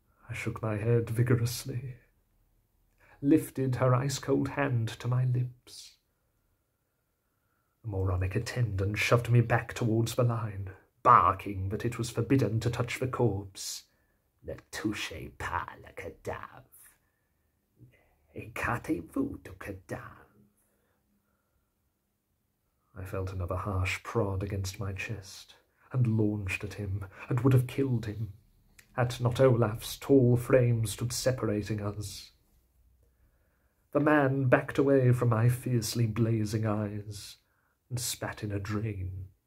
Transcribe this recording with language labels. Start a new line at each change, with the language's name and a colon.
English: I shook my head vigorously, lifted her ice-cold hand to my lips. A moronic attendant shoved me back towards the line, barking that it was forbidden to touch the corpse.
French: Ne touchez pas le cadavre. Écartez-vous du cadavre.
English: I felt another harsh prod against my chest and launched at him and would have killed him had not Olaf's tall frame stood separating us. The man backed away from my fiercely blazing eyes and spat in a drain.